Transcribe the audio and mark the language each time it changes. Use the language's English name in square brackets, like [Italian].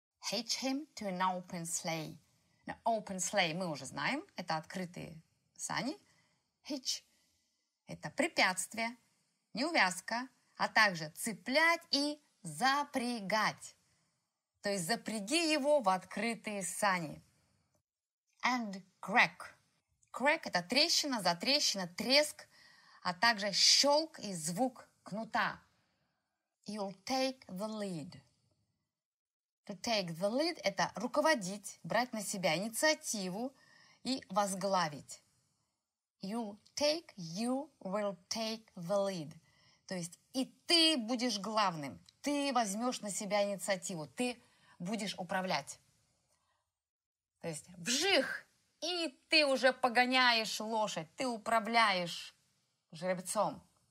[English] Hitch him to an open sleigh. [Russian] На [English] open sleigh [Russian] мы уже знаем. Это открытые сани. Hitch – это препятствие, неувязка, а также цеплять и запрягать. То есть запряги его в открытые сани. [English] And crack. [Russian] Crack – это трещина, затрещина, треск, а также щелк и звук кнута. [English] You'll take the lead. To take the lead [Russian] – это руководить, брать на себя инициативу и возглавить. [English] You'll take, you will take the lead. [Russian] То есть и ты будешь главным, ты возьмешь на себя инициативу, ты будешь управлять. То есть вжих, и ты уже погоняешь лошадь, ты управляешь жеребцом.